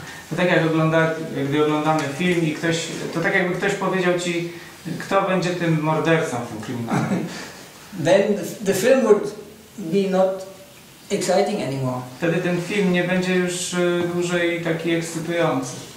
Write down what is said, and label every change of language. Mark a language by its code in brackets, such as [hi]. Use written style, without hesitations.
[pl] To tak jak gdy oglądamy film i ktoś, to tak jakby ktoś powiedział ci, kto będzie tym mordercą, tym kryminalnym. [en] Then the film would be not exciting anymore. [pl] Wtedy ten film nie będzie już dłużej taki ekscytujący.